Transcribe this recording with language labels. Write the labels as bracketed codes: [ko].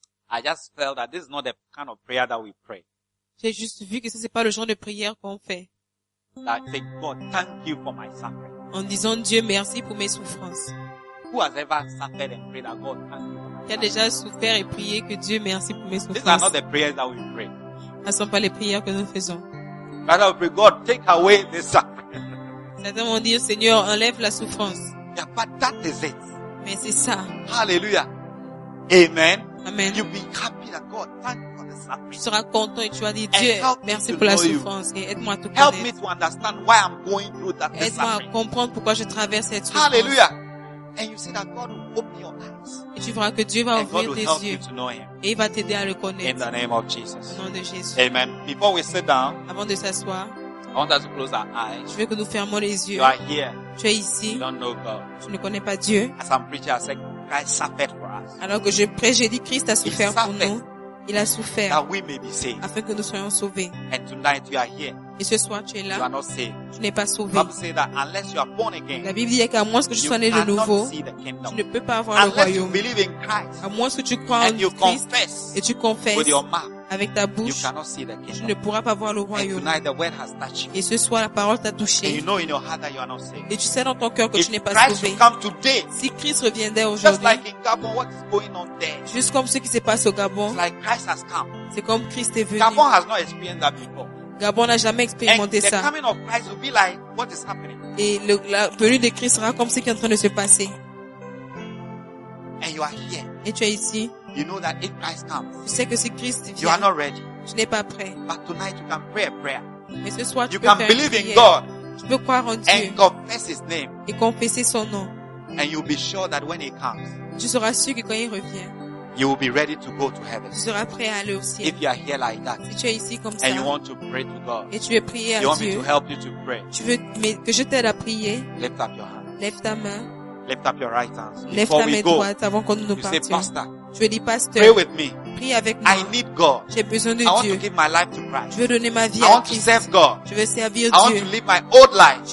[en] I just felt that this is not the kind of prayer that we pray. [fr] J'ai juste vu que ça c'est pas le genre de prière qu'on fait. [en] That say, God, thank you for my suffering. [fr] En disant Dieu merci pour mes souffrances. [en] Who has ever suffered and prayed that God thank you? [fr] Qui a déjà souffert et prié que Dieu merci pour mes souffrances? [en] These are not the prayers that we pray. [fr] Ce ne sont pas les prières que nous faisons. [en] Father, we pray, God, take away this suffering. [fr] Certains vont dire Seigneur enlève la souffrance. [en] Yeah, but that is it. [fr] Mais c'est ça. [en] Hallelujah. Amen. Amen. You'll be happy that God, thank you for the suffering. [fr] Tu seras content et tu vas dire Dieu, merci pour la souffrance et aide-moi à te connaître. [en] Help me to understand why I'm going through that suffering. [fr] Aide-moi à comprendre pourquoi je traverse cette souffrance. [en] Hallelujah. And you see that God will open your eyes. [fr] Et tu verras que Dieu va ouvrir tes yeux. [en] And God will help you to know Him. [fr] Et il va t'aider à le connaître. [en] In the name of Jesus. [fr] Au nom de Jésus. [en] Amen. Before we sit down. [fr] Avant de s'asseoir. [en] I want us to close our eyes. [fr] Je veux que nous fermions les yeux. [en] You are here. [fr] Tu es ici. [en] You don't know God. [fr] Tu ne connais pas Dieu. [en] As I'm preaching, I said, Christ suffered for us. [fr] Alors que je prêche, j'ai dit Christ a souffert pour nous. Il a souffert. [en] That we may be saved. [fr] Afin que nous soyons sauvés. [en] And tonight you are here. [fr] Et ce soir tu es là. [en] You are not saved. [fr] Tu n'es pas sauvé. [en] Bible says that unless you are born again, [fr] la Bible dit qu'à moins que tu sois né de nouveau, tu ne peux pas avoir [en] unless [fr] le royaume. [en] You believe in Christ, [fr] à moins que tu crois en [en] you [fr] Christ [en] confess, [fr] et tu confesses [en] with your mouth, [fr] avec ta bouche, [en] you cannot see the kingdom. [fr] Tu ne pourras pas voir le royaume. [en] And tonight the word has touched you. [fr] Et ce soir la parole t'a touché. [en] And you know in your heart that you are not saved. [fr] Et tu sais dans ton cœur que [en] if [fr] tu n'es pas [en] Christ [fr] sauvé. [en] Will come today, [fr] si Christ reviendrait aujourd'hui, [en] just like in Gabon, what is going on there? [fr] Juste comme ce qui se passe au Gabon, [en] it's like Christ has come. [fr] C'est comme Christ est venu. [en] Gabon has not experienced that before. [fr] Gabon n'a jamais expérimenté ça. [en] The coming of Christ will be like what is happening. [fr] Et le, la venue de Christ sera comme ce qui est en train de se passer. [en] And you are here. [fr] Et tu es ici. [en] You know that if Christ comes, [fr] tu sais que si Christ vient, [en] you are not ready. [fr] Tu n'es pas prêt. [en] But tonight you can pray a prayer. [fr] Mais ce soir, [en] you [fr] tu peux [en] can believe in God. [fr] Tu peux croire en Dieu. [en] And confess His name. [fr] Et confesser son nom. [en] And you'll be sure that when He comes, [fr] tu seras sûr que quand il revient, [en] you will be ready to go to heaven. [fr] Tu seras prêt à aller au ciel. [en] If you are here like that, [fr] si tu es ici comme [en] and [fr] ça, [en] and you want to pray to God, [fr] et tu veux prier à [en] you [fr] Dieu, [en] want me to help you to pray, [fr] tu veux que je t'aide à prier, [en] lift up your hand. [fr] Lève ta main. [en] Lift up your right hand. [fr] Lève ta main droite avant qu'on nous partions. [en] Say, Pastor, [fr] je veux dire, Pasteur, [en] pray with me. [fr] Prie avec moi. [en] I need God. [fr] J'ai besoin de [en] I [fr] Dieu. [en] I want to give my life to Christ. [fr] Je veux donner ma vie [en] I [fr] à [en] want [fr] Christ. [en] To serve God. [fr] Je veux servir [en] I [fr] Dieu. [en] I want to live my old life.